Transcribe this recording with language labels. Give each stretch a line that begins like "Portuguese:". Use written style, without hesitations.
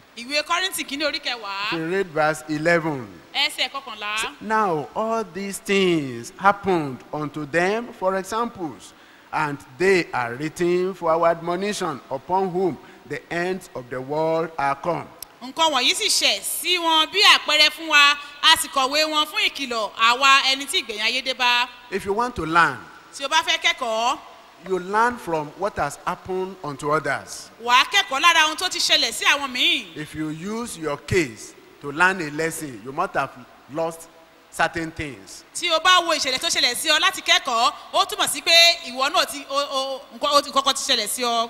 Yoruba: Ìwé Kọ́rìntì kìíní orí kẹwàá.
English: We read verse 11.
Yoruba: Ẹsẹ̀ kọkànlá.
English: Now all these things happened unto them for examples, and they are written for our admonition, upon whom the ends of the world are come.
Yoruba: Nǹkan wọ̀nyí sì ṣẹ̀ sí wọn bí àpẹẹrẹ fún wa, a sì kọ̀wé wọn fún ìkìlọ̀ àwa ẹni tí ìgbẹ̀yìn ayé dé bá.
English: If you want to learn.
Yoruba: Tí o bá fẹ́ kẹ́kọ̀ọ́.
English: You learn from what has happened unto others.
Yoruba: Wà á kẹ́kọ̀ọ́ lára ohun tó ti ṣẹlẹ̀ sí àwọn míì.
English: If you use your case to learn a lesson, you must have lost certain things.
Yoruba: Tí o bá wo ìṣẹ̀lẹ̀ tó ṣẹlẹ̀ sí ọ láti kẹ́kọ̀ọ́, ó túmọ̀ sí pé ìwọ náà ti nǹkan ti ṣẹlẹ̀ sí ọ.